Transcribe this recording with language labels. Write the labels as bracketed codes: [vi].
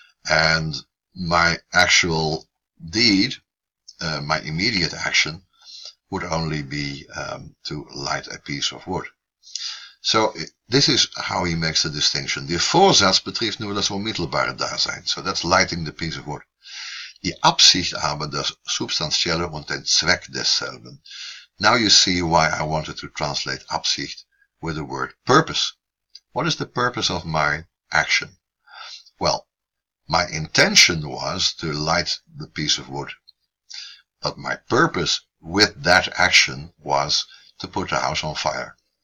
[en] And my actual deed, my immediate action, would only be to light a piece of wood. So this is how he makes the distinction. The [de] Vorsatz betrifft nur das unmittelbare Dasein. [en] So that's lighting the piece of wood. [de] Die Absicht aber das substanzielle und den Zweck desselben. [en] Now you see why I wanted to translate Absicht with the word purpose. What is the purpose of my action? Well, my intention was to light the piece of wood, but my purpose with that action was to put the house on fire.